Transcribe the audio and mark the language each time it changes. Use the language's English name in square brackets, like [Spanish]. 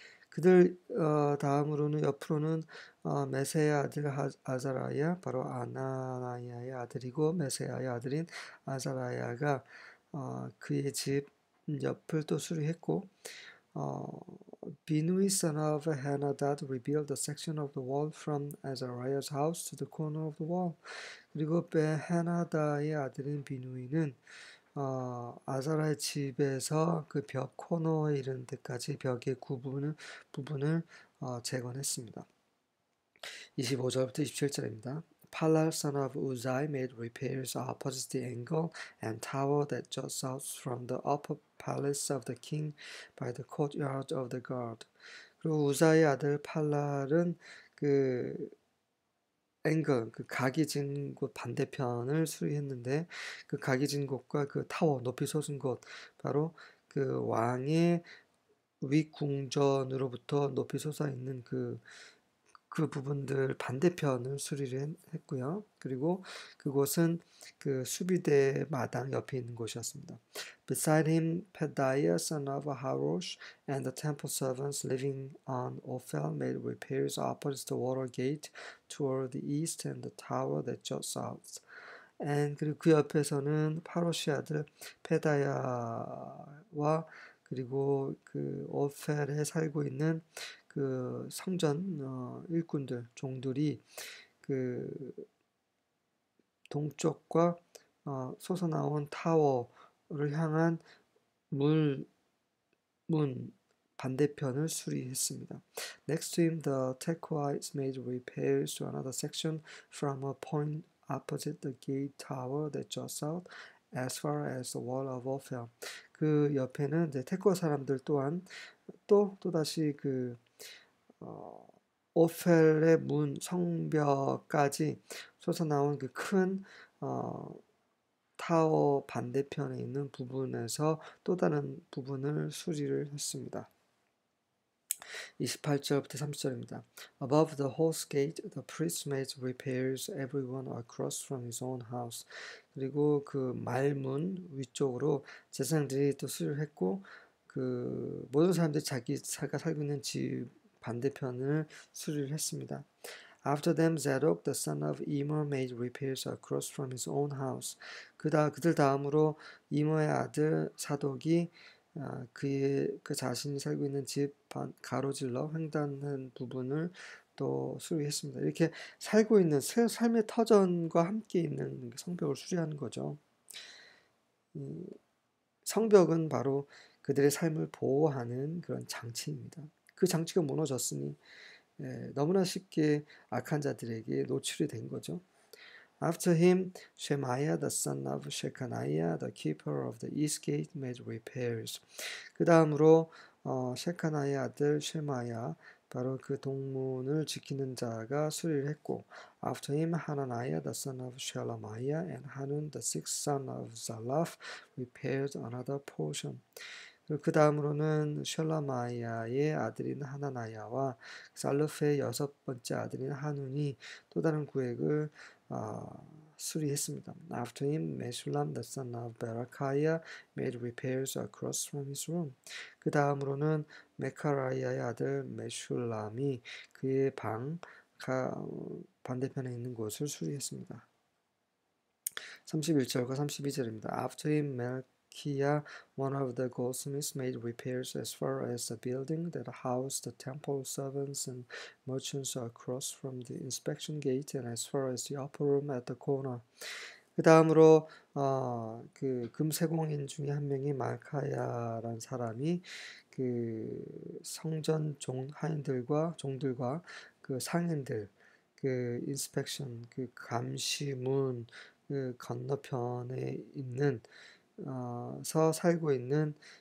[Korean] 그들 다음으로는 옆으로는 메세아의 아들 아자라야, 바로 아나나야의 아들이고 메세아의 아들인 아자라야가 그의 집 옆을 또 수리했고, [English] Binui son of Henadad rebuilt the section of the wall from Azariah's house to the corner of the wall. [Korean] 그리고 베헤나다의 아들인 비누이는 아사라의 집에서 그벽 코너에 이르는 데까지 벽의 부분을 재건했습니다. 25절부터 27절입니다. [English] Palal son of Uzai made repairs opposite the angle and tower that juts out from the upper palace of the king by the courtyard of the guard. [Korean] 그리고 우자의 아들 팔랄은 그 앵글, 그 각이 진곳 반대편을 수리했는데, 그 각이 진 곳과 그 타워, 높이 솟은 곳, 바로 그 왕의 윗궁전으로부터 높이 솟아 있는 그 부분들 반대편을 수리를 했고요. 그리고 그곳은 그 수비대 마당 옆에 있는 곳이었습니다. [English] Beside him, Pedaiah, son of Harosh, and the temple servants living on Ophel made repairs opposite the water gate toward the east and the tower that juts out. And [Korean] 그리고 그 옆에서는 파로시아들 페다야와 그리고 그 오펠에 살고 있는 그 성전 일꾼들 종들이 그 동쪽과 솟아 나온 타워 를 향한 문 반대편을 수리했습니다. [English] Next to him, the Tekoites made repairs to another section from a point opposite the gate tower that juts out as far as the wall of Ophel. [Korean] 그 옆에는 이제 테코 사람들 또한 또 다시 그 오펠의 문 성벽까지 솟아 나온 그큰 타워 반대편에 있는 부분에서 또 다른 부분을 수리를 했습니다. 28절부터 30절입니다. [English] Above the horse gate, the priest made repairs everyone across from his own house. [Korean] 그리고 그 말문 위쪽으로 제사장들이 또 수리를 했고, 그 모든 사람들이 자기가 살고 있는 집 반대편을 수리를 했습니다. [English] After them, Zadok, the son of Imer, made repairs across from his own house. [Korean] 그들 다음으로 이머의 아들 사독이 그 자신이 살고 있는 집 가로질러 횡단한 부분을 또 수리했습니다. 이렇게 살고 있는 삶의 터전과 함께 있는 성벽을 수리하는 거죠. 성벽은 바로 그들의 삶을 보호하는 그런 장치입니다. 그 장치가 무너졌으니 너무나 쉽게 악한 자들에게 노출이 된 거죠. [English] After him, Shemaiah, the son of Shechaniah, the keeper of the east gate, made repairs. [Korean] 그 다음으로 셰카나의 아들 쉐마야, 바로 그 동문을 지키는 자가 수리를 했고, [English] After him, Hananiah, the son of Shelemiah, and Hanun, the sixth son of Zalaf, repaired another portion. [Korean] 그 다음으로는 셜라마야의 아들인 하나나야와 살루페의 여섯 번째 아들인 하눈이 또 다른 구획을 수리했습니다. [English] After him, Meshulam, the son of Berechiah, made repairs across from his room. [Korean] 그 다음으로는 메카라야의 아들 메슐람이 그의 방 반대편에 있는 곳을 수리했습니다. 31절과 32절입니다. [English] After him, Kia, one of the goldsmiths, made repairs as far as the building that housed the temple servants and merchants across from the inspection gate and as far as the upper room at the corner. [Korean] 그 다음으로 그 금세공인 중에 한 명이 말카야라는 사람이 그 성전 종들과 그 상인들 그 인스펙션 그 감시문 그 건너편에 있는 서 살고 있는